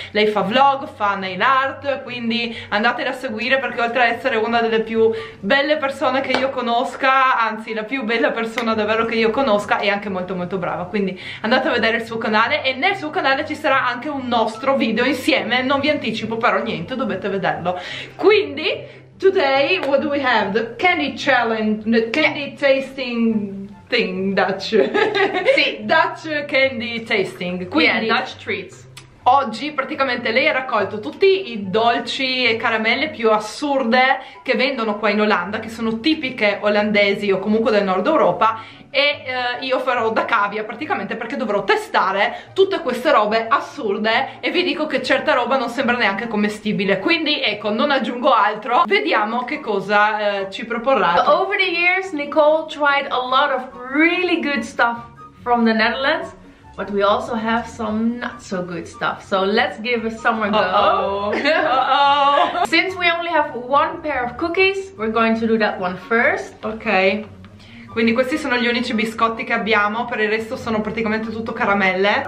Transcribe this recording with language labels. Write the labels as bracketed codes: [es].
[it] Lei fa vlog, fa nail art, quindi andatela a seguire, perché oltre ad essere una delle più belle persone che io conosca, anzi la più bella persona davvero che io conosca, è anche molto molto brava. Quindi andate a vedere il suo canale, e nel suo canale ci sarà anche un nostro video insieme. Non vi anticipo però niente, dovete vederlo. Quindi [en] today, what do we have? The candy challenge, the candy tasting thing, Dutch. [it] Sì. [en] Dutch candy tasting. Quindi, yeah, Dutch treats. [it] Oggi praticamente lei ha raccolto tutti i dolci e caramelle più assurde che vendono qua in Olanda, che sono tipiche olandesi o comunque del nord Europa, e io farò da cavia praticamente, perché dovrò testare tutte queste robe assurde, e vi dico che certa roba non sembra neanche commestibile. Quindi ecco, non aggiungo altro, vediamo che cosa ci proporrà. [en] Over the years Nicole tried a lot of really good stuff from the Netherlands, but we also have some not so good stuff, so let's give some a go. Since we only have one pair of cookies, we're going to do that one first. Okay. [it] Quindi questi sono gli unici biscotti che abbiamo, per il resto sono praticamente tutto caramelle.